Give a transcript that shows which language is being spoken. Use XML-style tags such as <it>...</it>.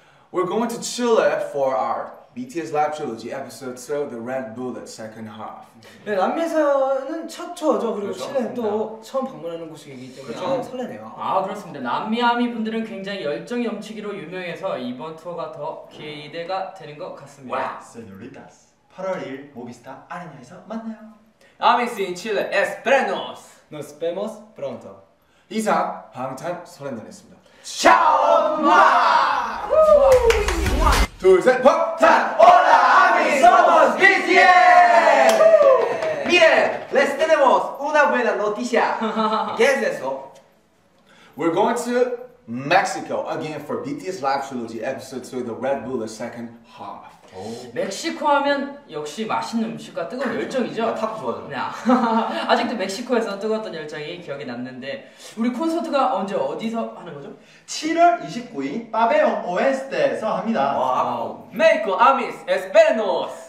<en>We're going to Chile for our BTS Live Trilogy episode, so the Red Bullet second half.</en> <ko>네, 남미에서는 첫 투어죠. 그리고 칠레는 또 처음 방문하는 곳이기 때문에 좀 설레네요. 아, 그렇습니다. 남미 아미 분들은 굉장히 열정 넘치기로 유명해서 이번 투어가 더 기대가 되는 것 같습니다. 와, 세뇨리타스. 8월 1일 모비스타 아레나에서 만나요.</ko> <en>Amis in Chile,</en> <es>esperenos. Nos vemos pronto.</es> <ko>이상 방탄 소년단이었습니다. 샤오마! 둘, 셋, 팍!</ko> <es>탄! Hola, amigos, somos BTS! Miren, les tenemos una buena noticia. ¿Qué es eso?</es> <en>We're going to Mexico again for BTS Live Trilogy episode 2, the Red Bull, the second half.</en> <ko>멕시코 하면 역시 맛있는 음식과 뜨거운 열정이죠. 탑 좋아하잖아. 아직도 멕시코에서 뜨거웠던 열정이 기억이 났는데 우리 콘서트가 언제 어디서 하는 거죠? 7월 29일 파베온 오에스테에서 합니다.</ko> <es>와우. México, amigos, esperenos.</es>